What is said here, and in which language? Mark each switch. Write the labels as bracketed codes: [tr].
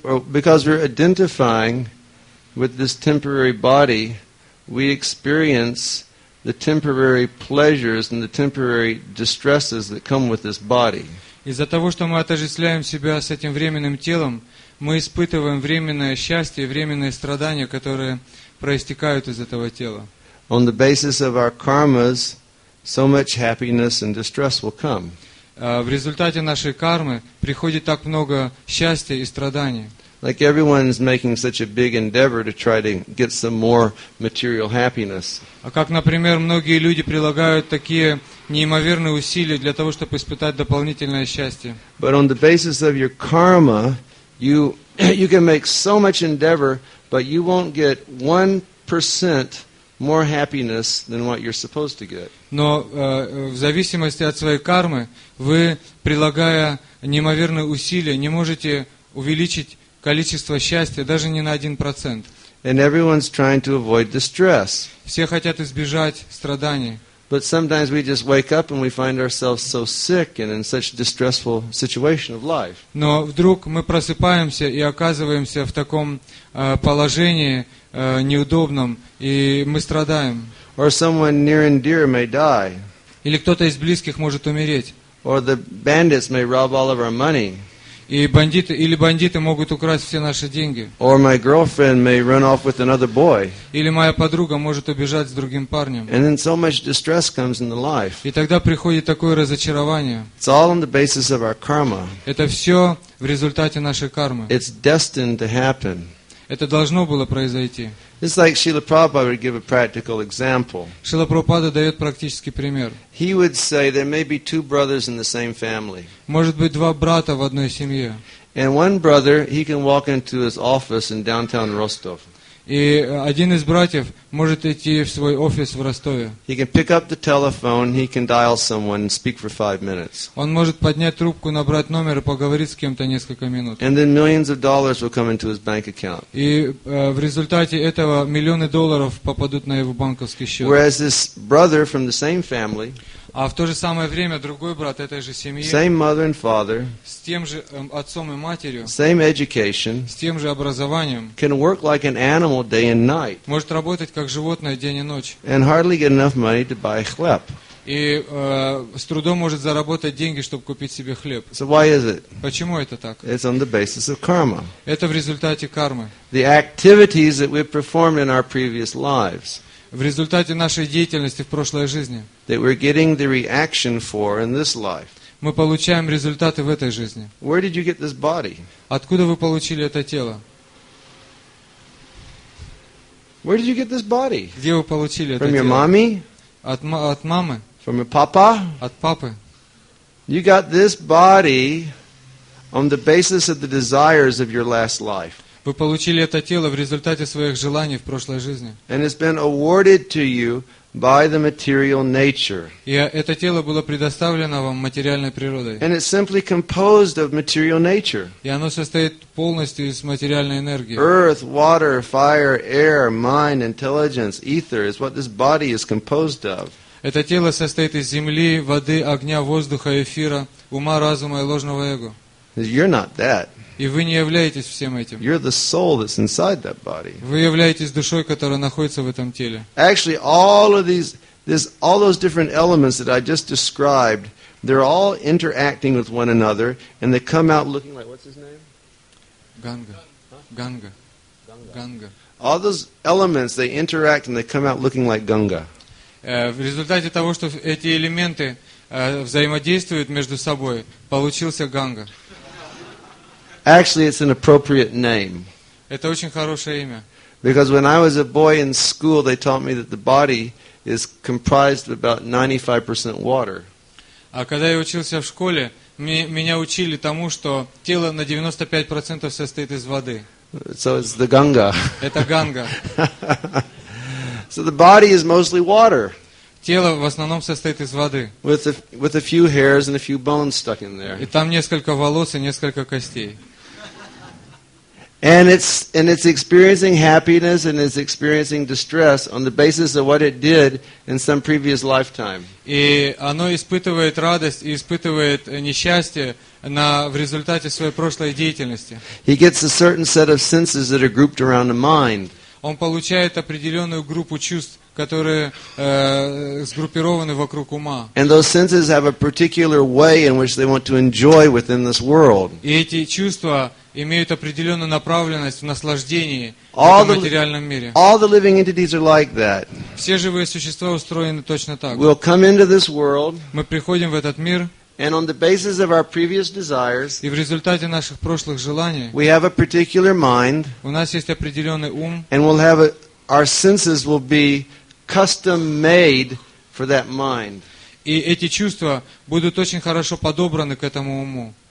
[en] Because we're identifying with this temporary body, we experience the temporary pleasures and the temporary distresses that come with this body. [ru] Из-за того, что мы отождествляем себя с этим временным телом, мы испытываем временное счастье, временные страдания, которые проистекают из этого тела. [en] On the basis of our karmas, so much happiness and distress will come. [ru] В результате нашей кармы приходит так много счастья и страданий. [en] Like everyone is making such a big endeavor to try to get some more material happiness. [ru] А как, например, многие люди прилагают такие неимоверные усилия для того, чтобы испытать дополнительное счастье. [en] But on the basis of your karma, you can make so much endeavor, but you won't get 1% more happiness than what you're supposed to get. [ru] Но в зависимости от своей кармы, вы, прилагая неимоверные усилия, не можете увеличить количество счастья даже не на 1%. [en] And everyone's trying to avoid distress. [ru] Все хотят избежать страданий. [en] But sometimes we just wake up and we find ourselves so sick and in such a distressful situation of life. [ru] Но вдруг мы просыпаемся и оказываемся в таком положении неудобном, и мы страдаем. [en] Or someone near and dear may die. [ru] Или кто-то из близких может умереть. [en] Or the bandits may rob all of our money. [ru] Или бандиты могут украсть все наши деньги. [en] Or my girlfriend may run off with another boy. [ru] Или моя подруга может убежать с другим парнем. [en] And then so much distress comes in the life. [ru] И тогда приходит такое разочарование. [en] It's all on the basis of our karma. [ru] Это все в результате нашей кармы. [en] It's destined to happen. [ru] Это должно было произойти. [en] It's like Srila Prabhupada would give a practical example. [ru] Шрила Прабхупада дает практический пример. [en] He would say there may be two brothers in the same family. [ru] Может быть два брата в одной семье. [en] And one brother, he can walk into his office in downtown Rostov. [ru] И один из братьев может идти в свой офис в Ростове. [en] He can pick up the telephone, he can dial someone and speak for 5 minutes. [ru] Он может поднять трубку, набрать номер и поговорить с кем-то несколько минут. [en] And then millions of dollars will come into his bank account. [ru] И в результате этого миллионы долларов попадут на его банковский счет. [en] Whereas this brother from the same family, [ru] А в то же самое время другой брат этой же семьи, [en] same mother and father, [ru] с тем же отцом и матерью, [en] same education, [ru] с тем же образованием, [en] can work like an animal day and night, [ru] может работать как животное день и ночь, [en] and hardly get enough money to buy хлеб. [ru] И с трудом может заработать деньги, чтобы купить себе хлеб. [en] So why is it? [ru] Почему это так? [en] It's on the basis of karma. [ru] Это в результате кармы. [en] The activities that we performed in our previous lives. [ru] В результате нашей деятельности в прошлой жизни. [en] That we're getting the reaction for in this life. [ru] Мы получаем результаты в этой жизни. [en] Where did you get this body? [ru] Откуда вы получили это тело? [en] Where did you get this body? [ru] Где вы получили [en] From your [ru] тело? [en] Mommy? [ru] От мамы? [en] From your papa? [ru] От папы? [en] You got this body on the basis of the desires of your last life. [ru] Вы получили это тело в результате своих желаний в прошлой жизни. [en] And it's been awarded to you by the material nature. [ru] И это тело было предоставлено вам материальной природой. [en] And it's simply composed of material nature. [ru] И оно состоит полностью из материальной энергии. [en] Earth, water, fire, air, mind, intelligence, ether is what this body is composed of. [ru] Это тело состоит из земли, воды, огня, воздуха, эфира, ума, разума и ложного эго. [en] You're not that. [ru] И вы не являетесь всем этим. [en] You're the soul that's inside that body. [ru] Вы являетесь душой, которая находится в этом теле. [en] Actually, all of these, all those different elements that I just described, they're all interacting with one another, and they come out looking like what's his name? Ganga. Ganga. Ganga. All those elements they interact and they come out looking like Ganga. [ru] В результате того, что эти элементы взаимодействуют между собой, получился Ганга. [en] Actually, it's an appropriate name. [ru] Это очень хорошее имя. [en] Because when I was a boy in school, they taught me that the body is comprised of about 95% water. [ru] А когда я учился в школе, меня учили тому, что тело на 95% состоит из воды. [en] So it's the Ganga. [ru] Это Ганга. [en] So the body is mostly water. [ru] Тело в основном состоит из воды. [en] With a few hairs and a few bones stuck in there. [ru] И там несколько волос и несколько костей. [en] And it's experiencing happiness and it's experiencing distress on the basis of what it did in some previous lifetime. [ru] И оно испытывает радость и испытывает несчастье в результате своей прошлой деятельности. [en] He gets a certain set of senses that are grouped around the mind. [ru] Он получает определенную группу чувств, которые сгруппированы вокруг ума. [en] And those senses have a particular way in which they want to enjoy within this world. [ru] И эти чувства имеют определенную направленность в наслаждении в материальном мире. [en] All the living entities are like that. [ru] Все живые существа устроены точно так. [en] We'll come into this world. [ru] Мы приходим в этот мир. [en] And on the basis of our previous desires, [ru] и в результате наших прошлых желаний, [en] we have a particular mind, [ru] у нас есть определенный ум, [en] and we'll have our senses will be custom made for that mind. [ru] И эти чувства будут очень хорошо подобраны к этому уму.